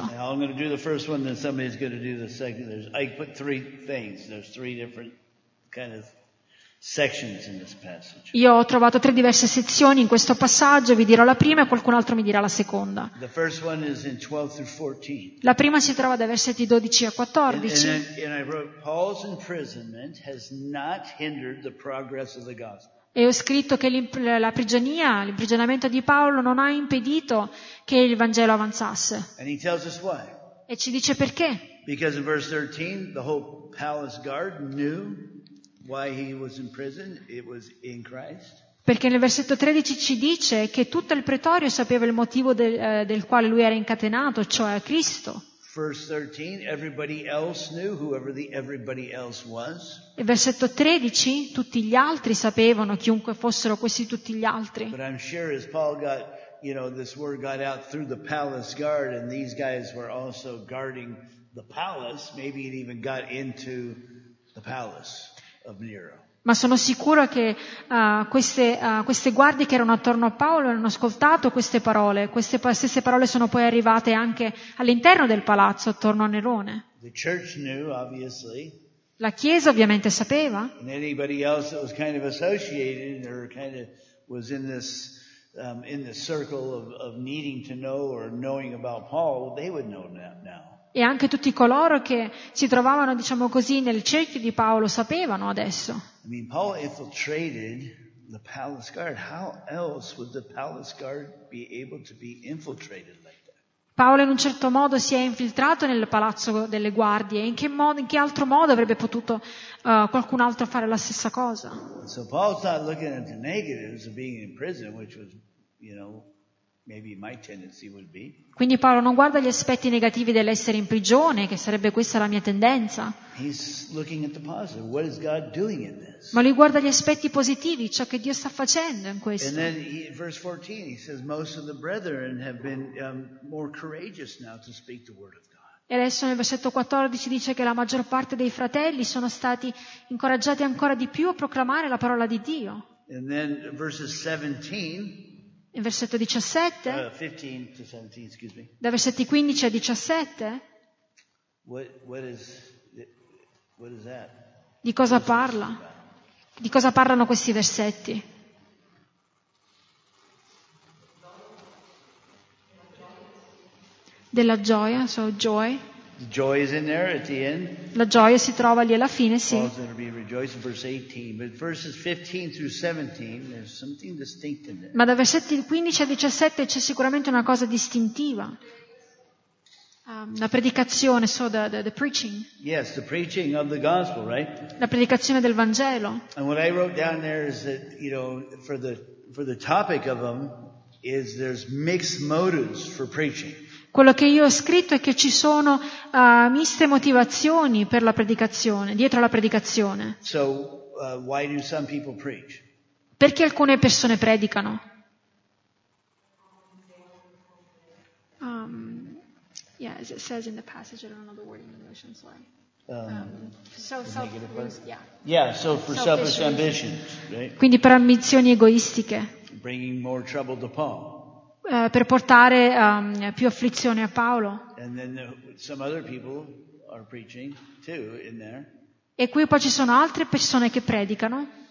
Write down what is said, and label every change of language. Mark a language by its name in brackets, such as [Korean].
[English] I'm going to do the first one, then somebody's going to do the second. I put three things. There's three different kind of sections in this passage. [Italian] Io ho trovato tre diverse sezioni in questo passaggio, vi dirò la prima e qualcun altro mi dirà la seconda. [English] The first one is in 12 through 14. [Italian] La prima si trova dai versetti 12 a 14. [English] And I wrote, Paul's imprisonment has not hindered the progress of the gospel. [Italian] E ho scritto che l'imprigionamento di Paolo non ha impedito che il Vangelo avanzasse. [English] And he tells us why. [Italian] E ci dice perché. [English] Because in verse 13 the whole palace guard knew why he was in prison, it was in Christ. [Italian] Perché nel versetto 13 ci dice che tutto il pretorio sapeva il motivo del quale lui era incatenato, cioè Cristo. [English] Verse 13, everybody else knew, whoever the everybody else was. [Italian] Il versetto 13, tutti gli altri sapevano, chiunque fossero questi tutti gli altri. [English] But I'm sure as Paul got, you know, this word got out through the palace guard, and these guys were also guarding the palace, maybe it even got into the palace. [Italian] Ma sono sicuro che queste guardie che erano attorno a Paolo hanno ascoltato queste parole. Queste stesse parole sono poi arrivate anche all'interno del palazzo, attorno a Nerone. [English] The church knew, obviously. [Italian] La Chiesa ovviamente sapeva. [English] And anybody else that was kind of associated or kind of was in this in the circle of needing to know or knowing about Paul, they would know now. [Italian] E anche tutti coloro che si trovavano, diciamo così, nel cerchio di Paolo sapevano adesso. [English] I mean, Paul infiltrated the palace guard. How else would the palace guard be able to be infiltrated like that? [Italian] Paolo in un certo modo si è infiltrato nel palazzo delle guardie. In che altro modo avrebbe potuto qualcun altro fare la stessa cosa? [English] So Paul's not looking at the negatives of being in prison, which was, you know, maybe my tendency would be. [Italian] Quindi Paolo non guarda gli aspetti negativi dell'essere in prigione, che sarebbe questa la mia tendenza. [English] He's looking at the positive. What is God doing in this? [Italian] Ma lui guarda gli aspetti positivi, ciò che Dio sta facendo in questo. [English] And then verse 14, he says most of the brethren have been more courageous now to speak the word of God. [Italian] E adesso nel versetto 14 dice che la maggior parte dei fratelli sono stati incoraggiati ancora di più a proclamare la parola di Dio. [English] And then verses 17. [Italian] In versetto 17, [English] 15 to 17, excuse me. [Italian] Da versetti 15 a 17, [English] what is that? [Italian] Di cosa parla? Di cosa parlano questi versetti? Della gioia, [English] so joy. The joy is in there at the end. [Italian] La gioia si trova lì alla fine, sì. [English] Paul's going to be rejoicing, verse 18. But verses 15 through 17, there's something distinct in there. [Italian] Ma da versetti 15 a 17 c'è sicuramente una cosa distintiva. La predicazione, [English] so the preaching. Yes, the preaching of the gospel, right? [Italian] La predicazione del Vangelo. [English] And what I wrote down there is that, you know, for the topic of them, is there's mixed motives for preaching. [Italian] Quello che io ho scritto è che ci sono miste motivazioni per la predicazione, dietro alla predicazione. [English] So, why do some people preach? [Italian] Perché alcune persone predicano? [English] Yeah, as it says in the passage, I don't know the word in English, I'm sorry. Selfish ambitions, right? [Italian] Quindi per ambizioni egoistiche. [English] Bringing more trouble to Paul. [Italian] Per portare più afflizione a Paolo. [English] And then some other people are preaching too in there. [Italian] E qui poi ci sono altre persone che predicano.